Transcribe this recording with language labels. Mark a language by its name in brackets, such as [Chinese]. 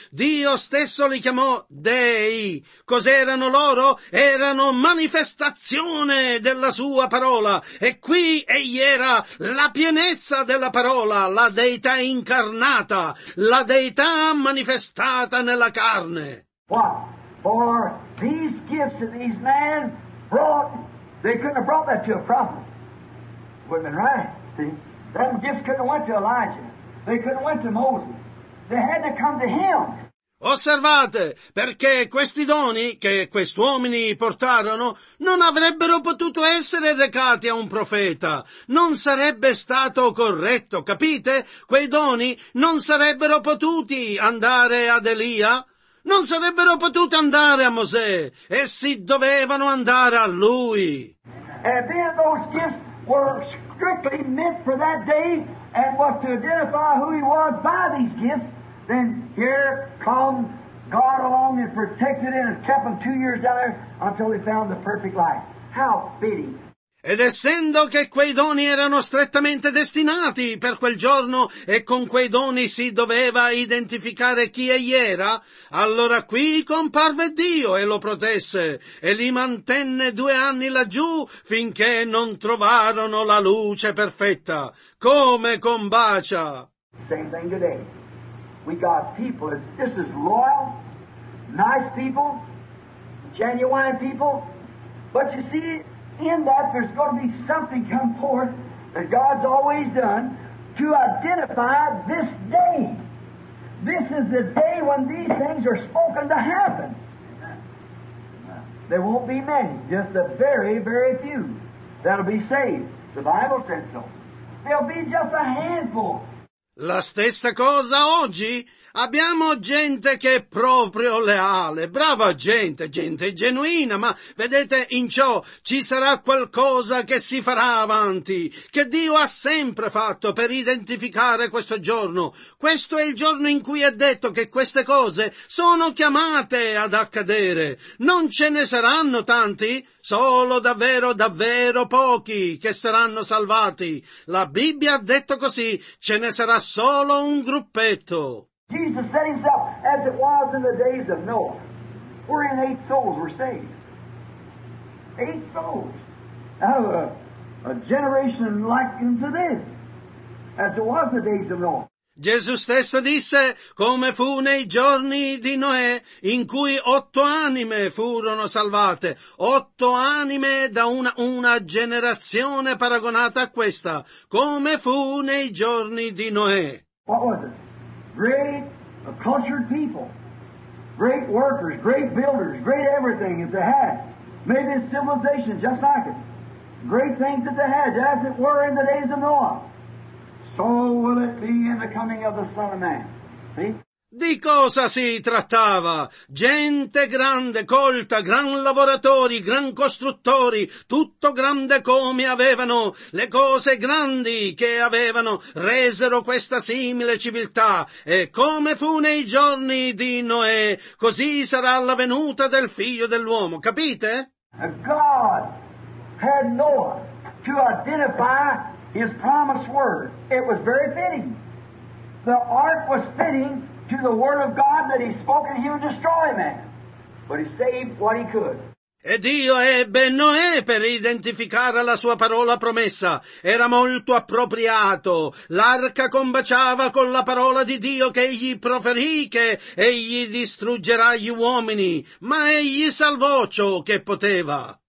[Italian] Dio stesso li chiamò dei. Cos'erano loro? Erano manifestazione della sua parola. E qui egli era la pienezza della parola, la deità incarnata, la deità manifestata nella carne. [English] For these gifts of these men brought, they couldn't have brought that to a prophet. Wouldn't have been right, see? Them gifts couldn't have went to Elijah. They couldn't have went to Moses. They had to come to him. [Italian] Osservate, perché questi doni che quest'uomini portarono non avrebbero potuto essere recati a un profeta. Non sarebbe stato corretto, capite? Quei doni non sarebbero potuti andare ad Elia. Non sarebbero potute andare a Mosè, essi dovevano andare a lui. [English] And then those gifts were strictly meant for that day and was to identify who he was by these gifts. Then here come God along and protected it and kept him 2 years down there until he found the perfect life. How fitting. [Italian] Ed essendo che quei doni erano strettamente destinati per quel giorno e con quei doni si doveva identificare chi egli era, allora qui comparve Dio e lo protesse e li mantenne 2 anni laggiù finché non trovarono la luce perfetta. Come combacia! [English] Same thing today. We got people, this is loyal, nice people, genuine people, but you see, in that there's going to be something come forth that God's always done to identify this day. This is the day when these things are spoken to happen. There won't be many, just the very, very few that'll be saved. The Bible said so. There'll be just a handful. [Italian] La stessa cosa oggi. Abbiamo gente che è proprio leale, brava gente, gente genuina, ma vedete, in ciò ci sarà qualcosa che si farà avanti, che Dio ha sempre fatto per identificare questo giorno. Questo è il giorno in cui è detto che queste cose sono chiamate ad accadere. Non ce ne saranno tanti, solo davvero, davvero pochi che saranno salvati. La Bibbia ha detto così, ce ne sarà solo un gruppetto. [English] Jesus said himself, as it was in the days of Noah, wherein 8 souls were saved. 8 souls out of a generation likened to this, as it was in the days of Noah. [Italian] Gesù stesso disse, come fu nei giorni di Noè, in cui 8 anime furono salvate, 8 anime da una generazione paragonata a questa, come fu nei giorni di Noè. [English] What was it? Great, cultured people, great workers, great builders, great everything that they had. Maybe a civilization just like it. Great things that they had, as it were in the days of Noah. So will it be in the coming of the Son of Man. See? [Italian] Di cosa si trattava? Gente grande, colta, gran lavoratori, gran costruttori, tutto grande come avevano, le cose grandi che avevano, resero questa simile civiltà. E come fu nei giorni di Noè, così sarà la venuta del figlio dell'uomo, capite? [English] God had Noah to identify his promised word. It was very fitting. The ark was fitting to the word of God that he spoke and he would destroy man. But he saved what he could. [Italian] E Dio ebbe Noè per identificare la sua parola promessa. Era molto appropriato. L'arca combaciava con la parola di Dio che egli proferì che egli distruggerà gli uomini. Ma egli salvò ciò che poteva.